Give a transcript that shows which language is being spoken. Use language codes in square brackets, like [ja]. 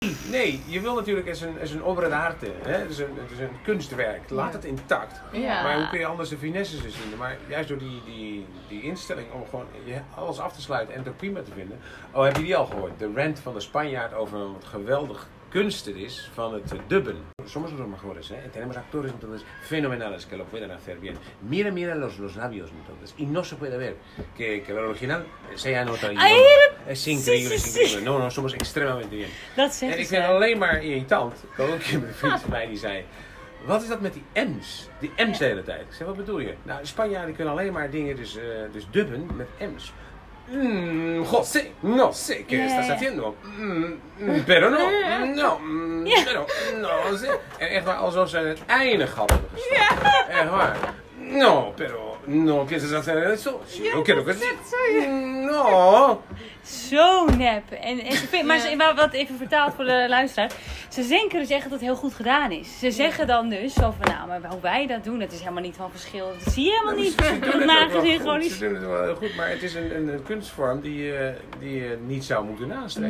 [nl] Nee, je wil natuurlijk eens een [it] obra d'arte, [nl] het is een kunstwerk, laat het intact. Ja. Maar hoe kun je anders de finesses er zien? Maar juist door die instelling om gewoon alles af te sluiten en het ook prima te vinden. Oh, heb je die al gehoord? De rant van de Spanjaard over wat geweldig kunst het is van het dubben. [es] Somos los mejores, ¿eh? Tenemos actores entonces fenomenales que lo pueden hacer bien. Mira los labios entonces. Y no se puede ver que el original sea en otro idioma. Es increíble, es increíble. No, somos extremadamente bien. [nl] Dat zegt ik ben alleen maar irritant. Ik had ook een vriend van mij die zei, wat is dat met die M's? Die M's de hele tijd. Ik zei, wat bedoel je? Nou, Spanjaarden kunnen alleen maar dingen dus dubben met M's. [es] José, no sé qué estás haciendo. Pero no. No sé. [nl] En echt maar alsof ze het einde gat hebben gestopt. [en] Yeah. [nl] Echt waar. [es] No, pero no piensas hacer eso. Sí, yo quiero que sí. [nl] Sorry. [es] No. [nl] zo nep. En ze vindt, maar ze, wat even vertaald voor de luisteraar. Ze denken dus echt dat het heel goed gedaan is. Ze zeggen dan dus, zo van, nou, maar hoe wij dat doen, dat is helemaal niet van verschil. Dat zie je helemaal niet. Ze doen het wel goed. Ze doen het wel heel goed, maar het is een kunstvorm die je niet zou moeten nastreven.